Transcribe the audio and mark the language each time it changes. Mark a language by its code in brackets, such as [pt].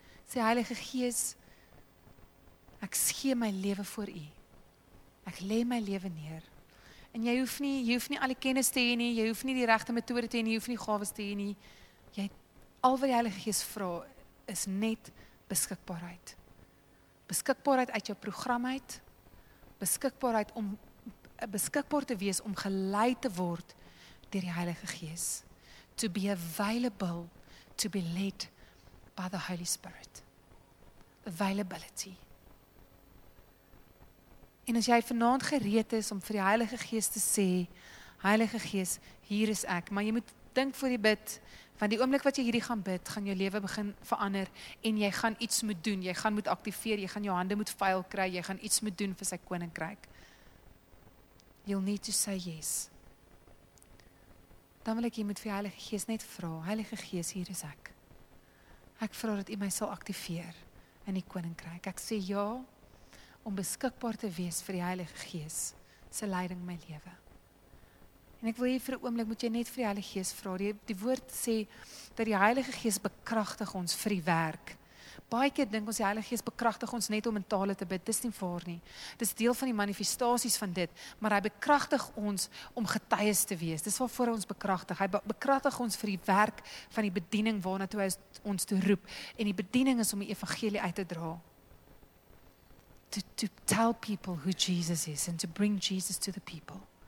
[af] Sê Heilige Gees, ek gee my lewe voor U. Ek lê my lewe neer. En jy hoef nie al die kennis te hê nie, jy hoef nie die regte metode te hê nie, jy hoef nie gawes te hê nie. Jy al wat die Heilige Gees vra is net beskikbaarheid. Beskikbaarheid uit jou program uit. Beskikbaarheid om beskikbaar te wees om gelei te word deur die Heilige Gees. [en] To be available, to be led by the Holy Spirit. Availability. [af] En as jy vanaand gereed is om vir die Heilige Gees te sê, Heilige Gees, hier is ek, maar jy moet dink voor die bid, want die oomblik wat jy hierdie gaan bid, gaan jou lewe begin verander en jy gaan iets moet doen, jy gaan moet aktiveer, jy gaan jou hande moet vuil kry, jy gaan iets moet doen vir sy koninkryk. [en] You'll need to say yes. [af] Dan wil ek jy moet vir die Heilige Gees net vra, Heilige Gees, hier is ek. Ek vra dat U my sal aktiveer in die koninkryk. Ek sê ja om beskikbaar te wees vir die Heilige Gees se leiding in my lewe. En ek wil hier vir 'n oomblik moet jy net vir die Heilige Gees vra. Die woord sê dat die Heilige Gees bekragtig ons vir die werk. Baie keer dink ons die Heilige Gees bekragtig ons net om in tale te bid. Dis nie waar nie. Dis deel van die manifestasies van dit, maar hy bekragtig ons om getuies te wees. Dis waarvoor hy ons bekragtig. Hy bekragtig ons vir die werk van die bediening waarna toe hy ons toe roep. En die bediening is om die evangelie uit te dra. [en] To tell people who Jesus is and to bring Jesus to the people.